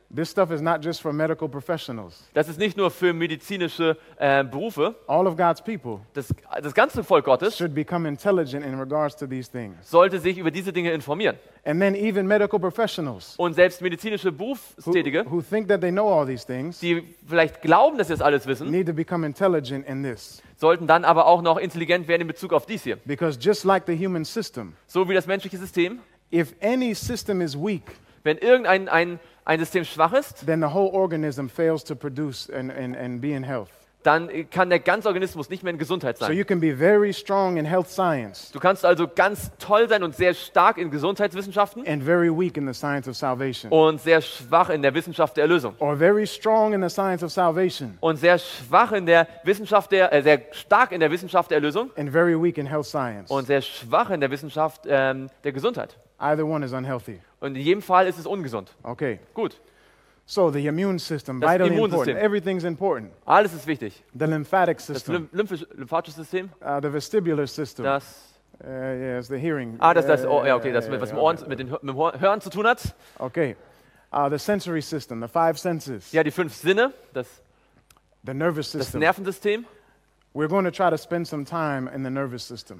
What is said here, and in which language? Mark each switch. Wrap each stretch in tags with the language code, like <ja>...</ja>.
<en>This stuff is not just for medical professionals.</en> <de>Das ist nicht nur für medizinische Berufe.</de> <en>All of God's people.</en> <de>Das ganze Volk Gottes</de> <en>should become intelligent in regards to these things.</en> <de>Sollte sich über diese Dinge informieren.</de> <en>And then even medical professionals.</en> <de>Und selbst medizinische Berufstätige,</de> <en>who think that they know all these things,</en> <de>die vielleicht glauben, dass sie das alles wissen,</de> <en>need to become intelligent in this.</en> <de>Sollten dann aber auch noch intelligent werden in Bezug auf dies hier.</de> <en>Because just like the human system.</en> <de>So wie das menschliche System.</de> <en>If any system is weak,</en> <de>wenn irgendein ein System schwach ist,</de> <en>then the whole organism fails to produce and be in health.</en> <de>Dann kann der ganze Organismus nicht mehr in Gesundheit sein.</de> <en>So you can be very strong in health science.</en> <de>Du kannst also ganz toll sein und sehr stark in Gesundheitswissenschaften.</de> <en>And very weak in the science of salvation.</en> <de>Und sehr schwach in der Wissenschaft der Erlösung.</de> <en>Or very strong in the science of salvation.</en> <de>Und sehr schwach in der Wissenschaft der sehr stark in der Wissenschaft der Erlösung.</de> <en>And very weak in health science.</en> <de>Und sehr schwach in der Wissenschaft der Gesundheit.</de> <en>Either one is unhealthy.</en> <de>Und in jedem Fall ist es ungesund.</de> <en>Okay.</en> <de>Gut.</de> <en>So the immune system, vitally important. Everything's important.</en> <de>Alles ist wichtig.</de> <en>The lymphatic system.</en> <de>Das lymphatische System.</de> <en>The vestibular system.</en> <de>Das</de> <en>Yes, the hearing.</en> <de>Ah, das oh, ja, okay, das was okay. Mit dem Hören zu tun hat.</de> <en>Okay. The sensory system, the five senses.</en> <de>Ja, die fünf Sinne, das</de> <en>the nervous system.</en> <de>Das Nervensystem.</de> <en>We're going to try to spend some time in the nervous system.</en>